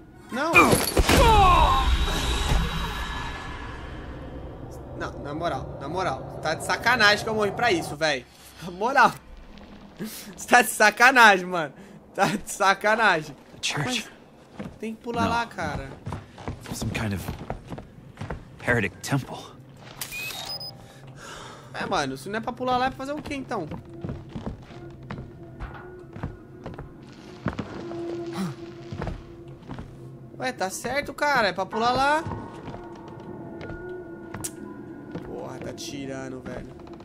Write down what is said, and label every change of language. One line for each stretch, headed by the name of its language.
Portuguese: Não! Não, na moral. Na moral. Tá de sacanagem que eu morri pra isso, velho. Na moral. Você tá de sacanagem, mano. Tá de sacanagem.
English: Church.
Portuguese: Tem que pular lá, cara.
English: Some kind of heretic temple.
Portuguese: É, mano, se não é pra pular lá, é pra fazer o quê então? Ué, tá certo, cara. É pra pular lá. Porra, tá tirando, velho.